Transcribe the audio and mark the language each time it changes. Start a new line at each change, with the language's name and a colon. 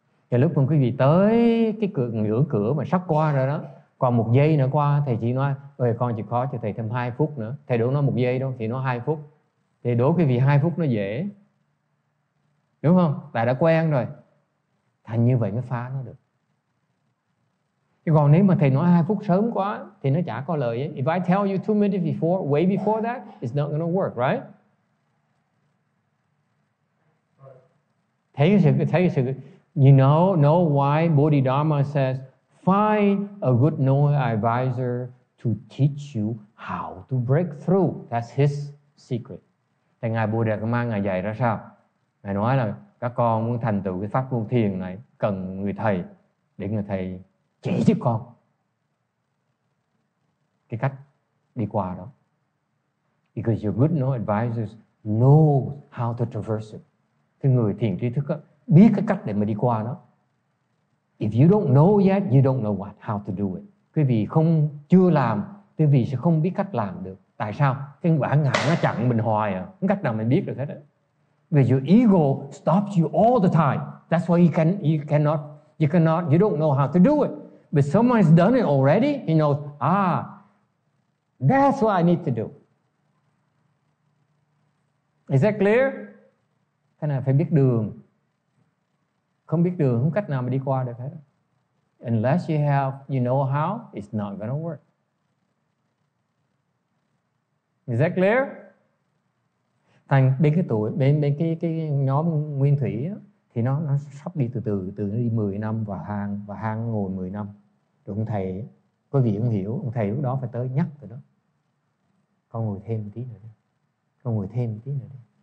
Vietnamese: Và lúc mà quý vị tới cái cửa, ngưỡng cửa mà sắp qua rồi đó, còn 1 giây nữa qua, thầy chỉ nói, ơi con chịu khó cho thầy thêm 2 phút nữa. Thầy đố nó 1 giây đâu, thì nó 2 phút. Thầy đố quý vị 2 phút nó dễ. Đúng không? Tại đã quen rồi. Thành như vậy mới phá nó được. Còn nếu mà thầy nói 2 phút sớm quá thì nó chả có lời ấy.
English: If I tell you 2 minutes before, way before that, it's not going to work, right?
Vietnamese: Thấy cái sự,
English: you know why Bodhidharma says find a good knowing advisor to teach you how to break through. That's his secret.
Vietnamese: Thầy Ngài Bồ Đề Tâm Ma Ngài dạy ra sao? Ngài nói là các con muốn thành tựu cái pháp vô thiền này cần người thầy để người thầy chỉ cho con cái cách đi qua đó.
English: Because your good know advisors know how to traverse it.
Vietnamese: Thì người thiền trí thức đó, biết cái cách để mà đi qua đó.
English: If you don't know yet, you don't know what how to do it.
Vietnamese: Quý vị không chưa làm, quý vị sẽ không biết cách làm được. Tại sao? Cái bản ngã nó chặn mình hoài à? Không cách nào mình biết được hết đấy.
English: Because your ego stops you all the time. That's why you cannot, you don't know how to do it. But someone has done it already, he knows, ah, that's what I need to do. Is that clear?
Vietnamese: Thế này phải biết đường. Không biết đường, không cách nào mà đi qua được hết.
English: Unless you have, you know how, it's not going to work. Is that clear?
Vietnamese: Thành bên cái tuổi, bên cái nhóm nguyên thủy á, thì nó sắp đi từ nó đi 10 năm và hang ngồi 10 năm. Rồi ông thầy có gì ông hiểu, ông thầy lúc đó phải tới nhắc rồi đó. Con ngồi thêm một tí nữa đi. Con ngồi thêm một tí nữa đi.